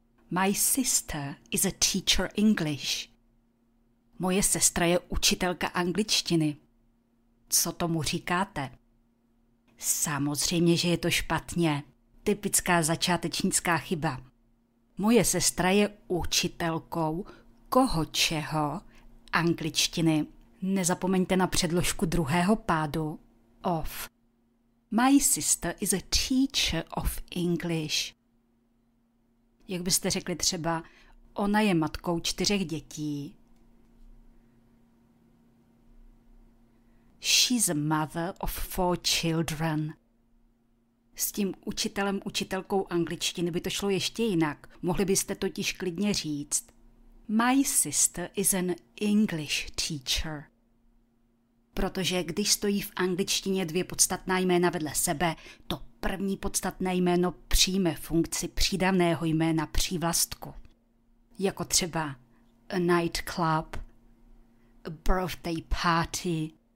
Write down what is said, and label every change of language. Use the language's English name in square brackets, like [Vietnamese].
[English] My sister is a teacher English. [Czech] Moje sestra je učitelka angličtiny. Co tomu říkáte? Samozřejmě, že je to špatně. Typická začátečnická chyba. Moje sestra je učitelkou koho čeho angličtiny. Nezapomeňte na předložku druhého pádu. [English] Of. My sister is a teacher of English. [Czech] Jak byste řekli třeba, ona je matkou 4 dětí. [English] She's a mother of 4 children. [Czech] S tím učitelem, učitelkou angličtiny by to šlo ještě jinak. Mohli byste totiž klidně říct. [English] My sister is an English teacher. [Czech] Protože když stojí v angličtině dvě podstatná jména vedle sebe, to první podstatné jméno přijme funkci přídavného jména přívlastku. Jako třeba [English] a nightclub, a birthday party.